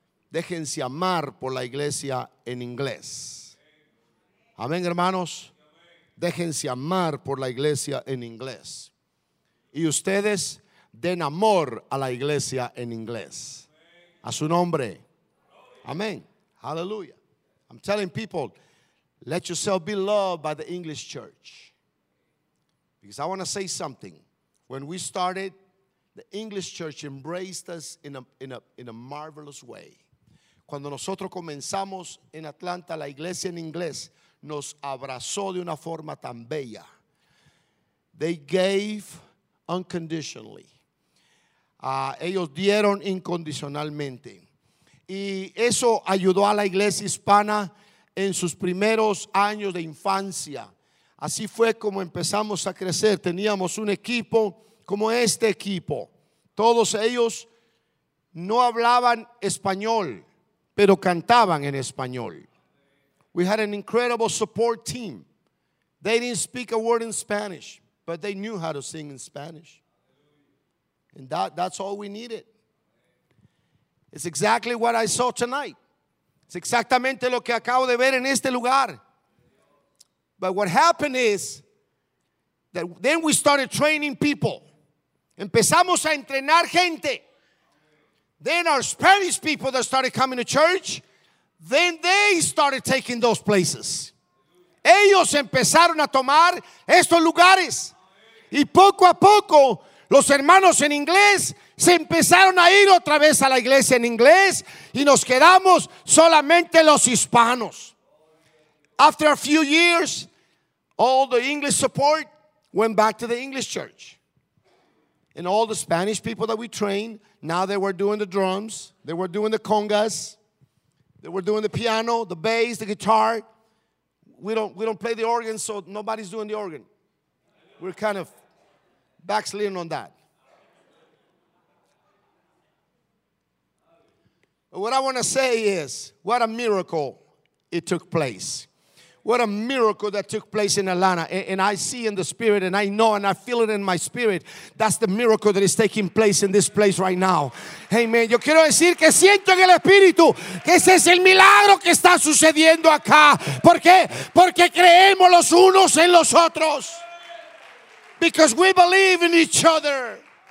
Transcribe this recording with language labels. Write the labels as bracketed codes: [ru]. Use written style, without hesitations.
[es] Déjense amar por la iglesia en inglés. Amén, hermanos. Déjense amar por la iglesia en inglés. Y ustedes den amor a la iglesia en inglés. A su nombre. Amén. Aleluya. [en] I'm telling people, let yourself be loved by the English church. Because I want to say something. When we started, the English church embraced us in a marvelous way. [es] Cuando nosotros comenzamos en Atlanta, la iglesia en inglés nos abrazó de una forma tan bella. [en] They gave unconditionally. [es] Ellos dieron incondicionalmente. Y eso ayudó a la iglesia hispana en sus primeros años de infancia. Así fue como empezamos a crecer. Teníamos un equipo como este equipo. Todos ellos no hablaban español, pero cantaban en español. [en] We had an incredible support team. They didn't speak a word in Spanish, but they knew how to sing in Spanish. And that's all we needed. It's exactly what I saw tonight. [es] Es exactamente lo que acabo de ver en este lugar. [en] But what happened is that then we started training people. [es] Empezamos a entrenar gente. [en] Then our Spanish people that started coming to church, then they started taking those places. [es] Ellos empezaron a tomar estos lugares. Y poco a poco, los hermanos en inglés se empezaron a ir otra vez a la iglesia en inglés y nos quedamos solamente los hispanos. [en] After a few years, all the English support went back to the English church. And all the Spanish people that we trained, now they were doing the drums, they were doing the congas, they were doing the piano, the bass, the guitar. We don't play the organ, so nobody's doing the organ. We're kind of backsliding on that. But what I want to say is, what a miracle it took place. What a miracle that took place in Atlanta. And I see in the spirit, and I know, and I feel it in my spirit. That's the miracle that is taking place in this place right now. Amen. [es] Yo quiero decir que siento en el espíritu que ese es el milagro que está sucediendo acá. ¿Por qué? Porque creemos los unos en los otros. [en] Because we believe in each other.